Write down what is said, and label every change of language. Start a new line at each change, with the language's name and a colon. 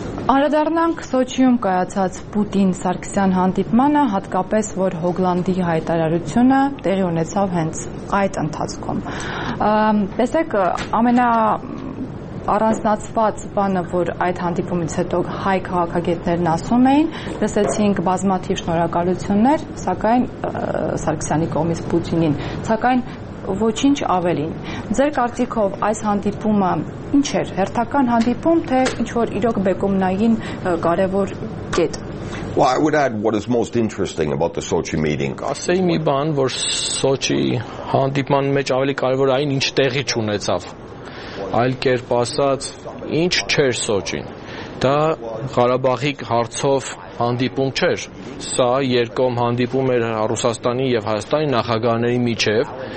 Armenian: Անդրադառնանք Սոչիում կայացած Պուտին-Սարգսյան հանդիպմանը, հատկապես որ Հոգլանդի հայտարարությունը տեղի ունեցավ հենց այդ ընթացքում։ Տեսեք, առանձնացված բանը, որ այդ հանդիպումից հետո հայ քաղաքագետներն ասում էին, լսեցինք բազմաթիվ շնորհակալություններ, սակայն Սարգսյանի կողմից Պուտինին, սակայն ոչինչ ավելին։ Ձեր կարծիքով այս հանդիպումը ինչ էր, հերթական հանդիպում, թե ինչ-որ իրոք բեկումնային կարևոր կետ։
English: Well, I would add what is most interesting about the Sochi meeting.
Armenian: Ասեի մի բան, որ Սոչի հանդիպման մեջ ավելի կարևոր այն, ինչ տեղի չունեցավ, այլ կերպ ասած, ինչ չէր Սոչին։ Դա Ղարաբաղի հարցով հանդիպում չէր, սա երկկողմ հանդիպում էր Ռուսաստանի և Հայաստանի նախագահների միջև,